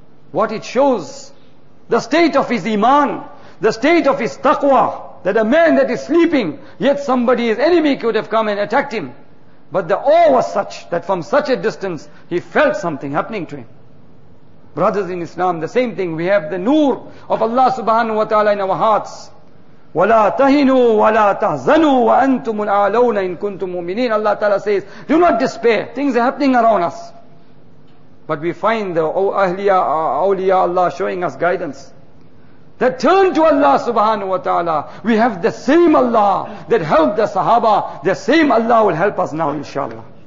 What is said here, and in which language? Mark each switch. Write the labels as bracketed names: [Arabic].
[English] What it shows, the state of his iman, the state of his taqwa, that a man that is sleeping, yet somebody, his enemy could have come and attacked him. But the awe was such that from such a distance he felt something happening to him. Brothers in Islam, the same thing. We have the nur of Allah subhanahu wa ta'ala in our hearts. [Arabic] وَلَا تَهِنُوا وَلَا تَهْزَنُوا وَأَنْتُمُ الْعَالَوْنَ إِن كُنْتُمْ مُؤْمِنِينَ [English] Allah ta'ala says, do not despair. Things are happening around us. But we find the awliya Allah showing us guidance. That turn to Allah subhanahu wa ta'ala. We have the same Allah that helped the Sahaba. The same Allah will help us now, inshallah.